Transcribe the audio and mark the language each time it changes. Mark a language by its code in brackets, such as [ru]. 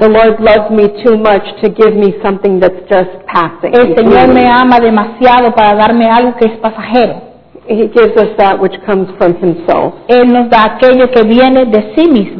[en] The Lord loves me too much to give me something that's just passing. [es] El Señor me ama demasiado para darme algo que es pasajero. [en] He gives us that which comes from Himself. [es] Él nos da aquello que viene de sí mismo.